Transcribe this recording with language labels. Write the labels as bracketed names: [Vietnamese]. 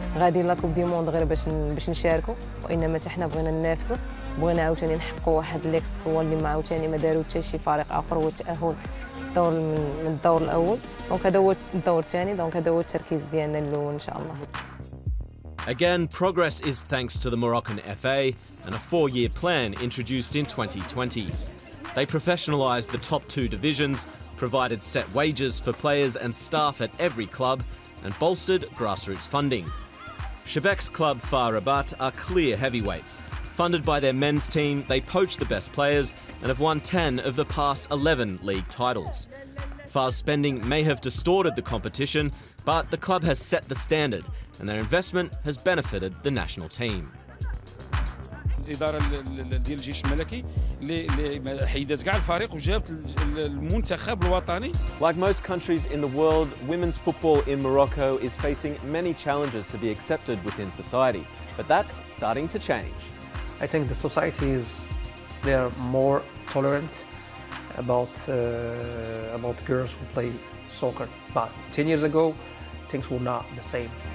[Arabic] غادي لا كوب دي موند غير باش نشاركوا وانما حتى حنا بغينا ننافسوا بغينا عاوتاني نحققوا واحد ليكس هو اللي ما عاوتاني ما داروا حتى شي فريق اخر هو التاهل الدور من الدور الاول دونك هذا هو الدور الثاني دونك هذا هو التركيز ديالنا الاول ان شاء الله. [English] Again, progress is thanks to the Moroccan FA and a four-year plan introduced in 2020. They professionalized the top two divisions, provided set wages for players and staff at every club, and bolstered grassroots funding. Shabak's club, Far Rabat, are clear heavyweights. Funded by their men's team, they poach the best players and have won 10 of the past 11 league titles. Far's spending may have distorted the competition, but the club has set the standard, and their investment has benefited the national team. [Arabic] الإدارة ديال الجيش الملكي اللي حيدت كاع الفريق وجابت المنتخب الوطني. [English] Like most countries in the world, women's football in Morocco is facing many challenges to be accepted within society, but that's starting to change. I think the society is they're more tolerant about girls who play soccer, but 10 years ago things were not the same.